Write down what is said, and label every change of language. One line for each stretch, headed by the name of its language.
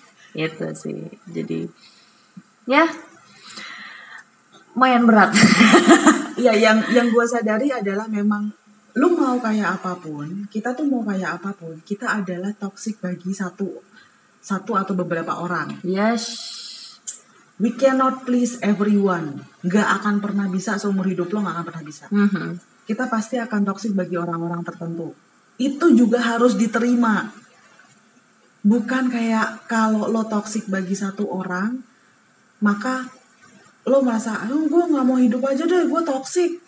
Indonesian: Itu sih, jadi ya lumayan berat. Ya, yang gue sadari adalah memang lu mau kayak apapun, kita tuh mau kayak apapun, kita adalah toxic bagi satu atau beberapa orang.
English: Yes. We cannot please everyone.
Indonesian: Gak akan pernah bisa, seumur hidup lo gak akan pernah bisa. Mm-hmm. Kita pasti akan toxic bagi orang-orang tertentu. Itu juga harus diterima. Bukan kayak kalau lo toxic bagi satu orang, maka lo merasa, gue gak mau hidup aja deh, gue toxic.